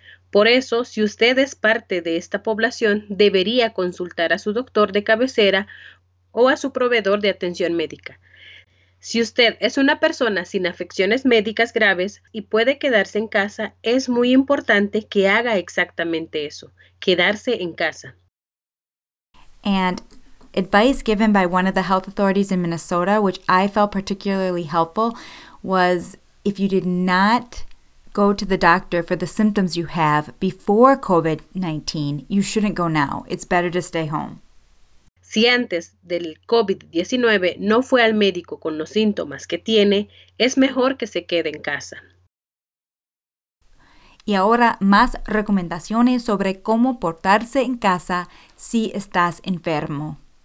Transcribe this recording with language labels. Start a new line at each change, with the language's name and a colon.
Spanish: Por eso, si usted es parte de esta población, debería consultar a su doctor de cabecera o a su proveedor de atención médica. Si usted es una persona sin afecciones médicas graves y puede quedarse en casa, es muy importante que haga exactamente eso, quedarse en casa.
English: And advice given by one of the health authorities in Minnesota, which I felt particularly helpful, was if you did not go to the doctor for the symptoms you have before COVID-19, you shouldn't go now. It's better to stay home.
Spanish: Si antes del COVID-19 no fue al médico con los síntomas que tiene, es mejor que se quede en casa. Y ahora más recomendaciones sobre cómo portarse en casa si estás enfermo.